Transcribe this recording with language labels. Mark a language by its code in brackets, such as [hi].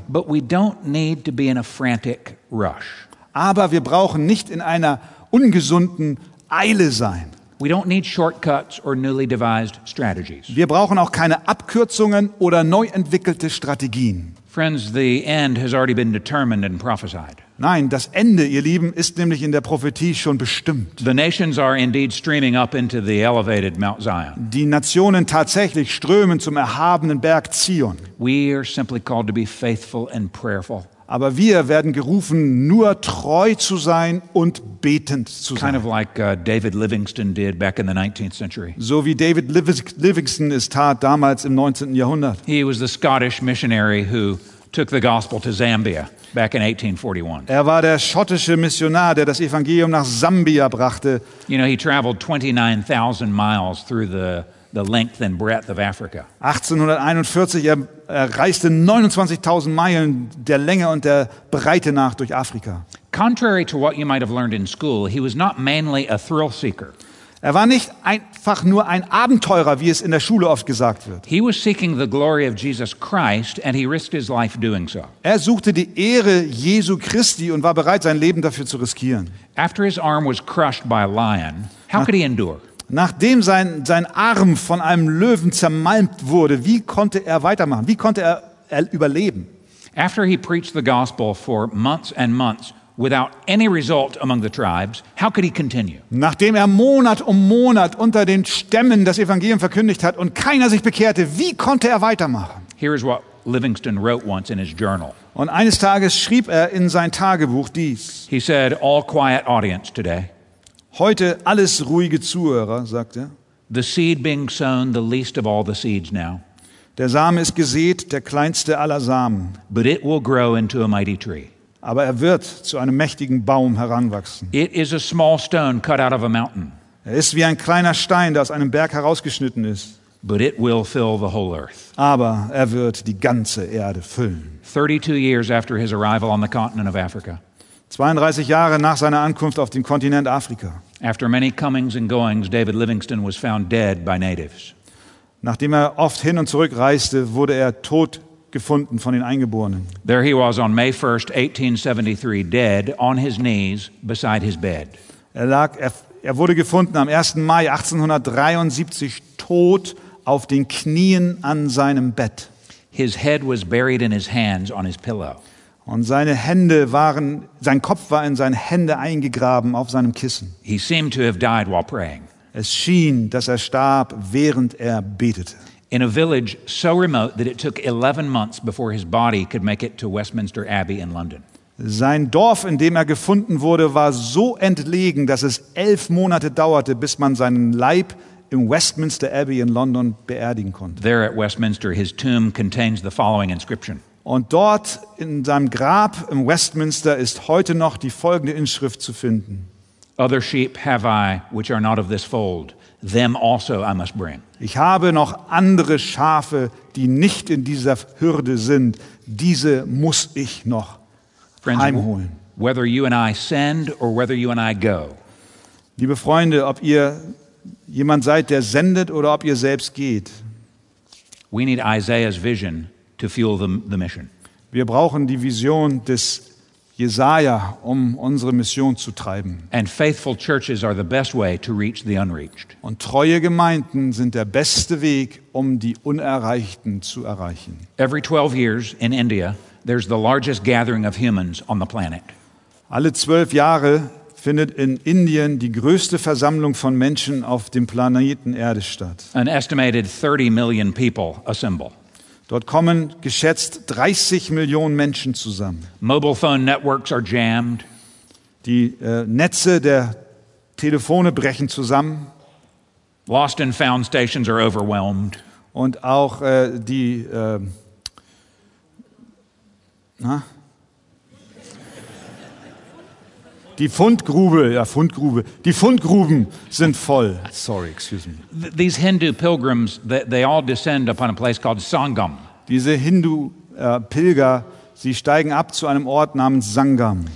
[en] But we don't need to be in a frantic rush. [de] Aber wir brauchen nicht in einer ungesunden Eile sein. [en] We don't need shortcuts or newly devised strategies. [de] Wir brauchen auch keine Abkürzungen oder neu entwickelte Strategien. [en] Friends, the end has already been determined and prophesied. [de] Nein, das Ende, ihr Lieben, ist nämlich in der Prophetie schon bestimmt. [en] The nations are indeed streaming up into the elevated Mount Zion. [de] Die Nationen tatsächlich strömen zum erhabenen Berg Zion. [en] We are simply called to be faithful and prayerful. [de] Aber wir werden gerufen, nur treu zu sein und betend zu sein. [en] Kind of like David Livingstone did back in the 19th century. [de] So wie David Livingstone es tat damals im 19. Jahrhundert. [en] He was the Scottish missionary who took the gospel to Zambia back in 1841. [de] Er war der schottische Missionar, der das Evangelium nach Sambia brachte. [en] You know, he traveled 29,000 miles through the length and breadth of Africa. [de] 1841 er reiste 29,000 Meilen der Länge und der Breite nach durch Afrika. [en] Contrary to what you might have learned in school, he was not mainly a thrill seeker. [de] Er war nicht einfach nur ein Abenteurer, wie es in der Schule oft gesagt wird. [en] He was seeking the glory of Jesus Christ and he risked his life doing so. [de] Er suchte die Ehre Jesu Christi und war bereit, sein Leben dafür zu riskieren. [en] After his arm was crushed by a lion, how could he endure? [de] Nachdem sein Arm von einem Löwen zermalmt wurde, wie konnte er weitermachen? Wie konnte er überleben? [en] After he preached the gospel for months and months without any result among the tribes, how could he continue? [de] Nachdem er Monat um Monat unter den Stämmen das Evangelium verkündigt hat und keiner sich bekehrte, wie konnte er weitermachen? [en] Here is what Livingstone wrote once in his journal. [de] Und eines Tages schrieb er in sein Tagebuch dies. [en] He said, "All quiet audience today." [de] Heute alles ruhige Zuhörer, sagt er. [en] The seed being sown, the least of all the seeds now. [de] Der Same ist gesät, der kleinste aller Samen. [en] But it will grow into a mighty tree. [de] Aber er wird zu einem mächtigen Baum heranwachsen. [en] It is a small stone cut out of a mountain. [de] Er ist wie ein kleiner Stein, der aus einem Berg herausgeschnitten ist. [en] But it will fill the whole earth. [de] Aber er wird die ganze Erde füllen. [en] 32 years after his arrival on the continent of Africa. [de] 32 Jahre nach seiner Ankunft auf dem Kontinent Afrika. [en] After many comings and goings, David Livingstone was found dead by natives. [de] Nachdem er oft hin und zurück reiste, wurde er tot gefunden von den Eingeborenen. [en] There he was on May 1st, 1873, dead on his knees beside his bed. [de] Er wurde gefunden am 1. Mai 1873 tot auf den Knien an seinem Bett. [en] His head was buried in his hands on his pillow. [de] Und seine Hände waren, sein Kopf war in seine Hände eingegraben auf seinem Kissen. [en] He seemed to have died while praying. [de] Es schien, dass er starb, während er betete. [en] In a village so remote that it took 11 months before his body could make it to Westminster Abbey in London. [de] Sein Dorf, in dem er gefunden wurde, war so entlegen, dass es 11 Monate dauerte, bis man seinen Leib im Westminster Abbey in London beerdigen konnte. [en] There at Westminster, his tomb contains the following inscription. [de] Und dort in seinem Grab im Westminster ist heute noch die folgende Inschrift zu finden. [en] Other sheep have I, which are not of this fold. Them also I must bring. [de] Ich habe noch andere Schafe, die nicht in dieser Hürde sind. Diese muss ich noch heimholen. [en] Whether you and I send or whether you and I go. [de] Liebe Freunde, ob ihr jemand seid, der sendet oder ob ihr selbst geht. [en] We need Isaiah's vision to fuel the mission. [de] Wir brauchen die Vision des Jesaja, um unsere Mission zu treiben. [en] And faithful churches are the best way to reach the unreached. [de] Und treue Gemeinden sind der beste Weg, um die Unerreichten zu erreichen. [en] Every 12 years in India, there's the largest gathering of humans on the planet. [de] Alle 12 Jahre findet in Indien die größte Versammlung von Menschen auf dem Planeten Erde statt. [en] An estimated 30 million people assemble. [de] Dort kommen geschätzt 30 Millionen Menschen zusammen. [en] Mobile phone networks are jammed. [de] Die Netze der Telefone brechen zusammen. [en] Lost and found stations are overwhelmed. [de] Und auch die Die Fundgruben sind voll. [en] Sorry, excuse me. These Hindu pilgrims, they all descend upon a place called Sangam. [de] Diese Hindu-Pilger, sie steigen ab zu einem Ort namens Sangam.